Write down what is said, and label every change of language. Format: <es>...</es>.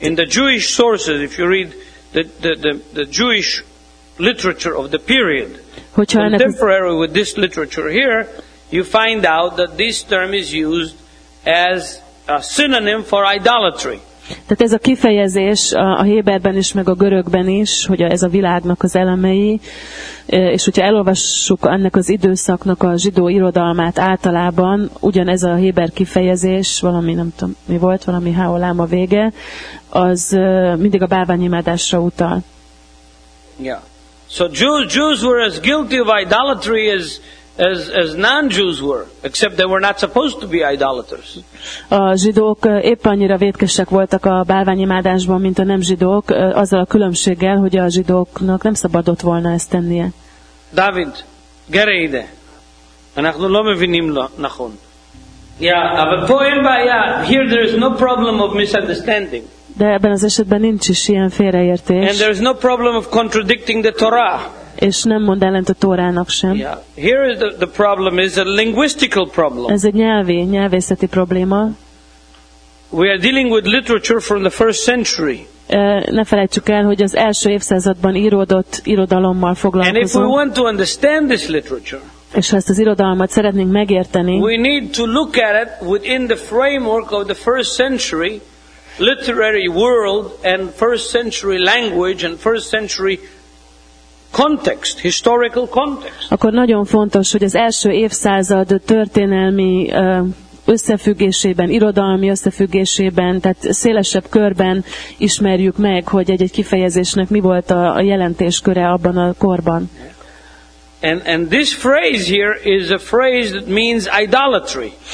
<en>in the Jewish sources, if you read the Jewish literature of the period, contemporary with this literature here, you find out that this term is used as a synonym for idolatry.</en> <hu>Tehát ez a kifejezés a héberben is, meg a görögben is, hogy ez a világnak az elemei, és hogyha elolvassuk ennek az időszaknak a zsidó irodalmát általában, ugyanez a héber kifejezés, valami nem tudom mi volt, valami haolám a vége, az mindig a bálványimádásra utal.</hu> <en>Yeah. So Jews were as guilty of idolatry as non-Jews were, except they were not supposed to be idolaters.</en> <hu>A zsidók épp annyira vétkesek voltak a bálványimádásban, mint a nem zsidók, azzal a különbséggel, hogy a zsidóknak nem szabadott volna ezt tennie.</hu> <he>David,</he> <hu>gyere ide!</hu> <he>Anachnu lo mevinim nachon.</he> <en>Yeah, but</en> <he>po in baya,</he> <en>here there is no problem of misunderstanding.</en> <hu>De ebben az esetben nincs is ilyen félreértés.</hu> <en>And there is no problem of contradicting the Torah.</en> <hu>És nem mond ellent a Tórának sem.</hu> <en>Yeah. Here is the problem is a linguistical problem.</en> <hu>Ez egy nyelvészeti probléma.</hu> <en>We are dealing with literature from the first century.</en> <hu>Ne felejtsük el, hogy az első évszázadban íródott irodalommal foglalkozunk.</hu> <en>And if we want to understand this literature,</en> <hu>és ha ezt az irodalmat szeretnénk megérteni,</hu> <en>we need to look at it within the framework of the first century literary world and first century language and first century context, historical context.</en> <hu>Akkor nagyon fontos, hogy az első évszázad történelmi összefüggésében, irodalmi összefüggésében, tehát szélesebb körben ismerjük meg, hogy egy-egy kifejezésnek mi volt a jelentésköre abban a korban.</hu> <en>And this phrase here is a phrase that means idolatry.</en>